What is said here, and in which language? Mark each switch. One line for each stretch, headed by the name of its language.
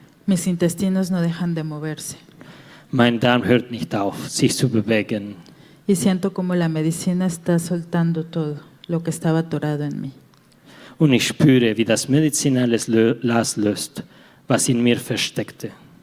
Spanish: Mis intestinos no dejan de moverse.
German: Mein Darm hört nicht auf, sich zu bewegen.
Spanish: Y siento como la medicina está soltando todo lo que estaba atorado en mí.
German: Und ich spüre, wie das Medizin alles loslöst, was in mir versteckte.